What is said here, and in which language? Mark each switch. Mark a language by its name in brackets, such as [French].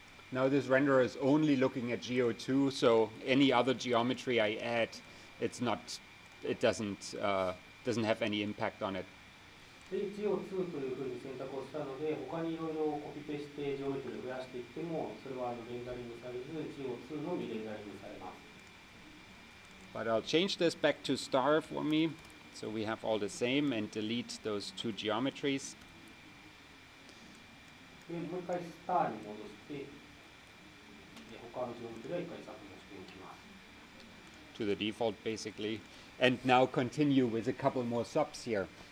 [English] Now this renderer is only looking at Geo2, so any other geometry I add, it's not, it doesn't, doesn't have any impact on it. [Japanese] で、Geo2 というふうに選択をしたので、他にいろいろコピペしてジオメトリを増やしていっても、それはあのレンダリングされず、Geo2 のみレンダリングされます。 [English] But I'll change this back to star for me, so we have all the same, and delete those two geometries. [Japanese] で、もう一回スターに戻して、で、他のジオメトリは一回削除しておきます。 [English] to the default basically. And now continue with a couple more SOPs here.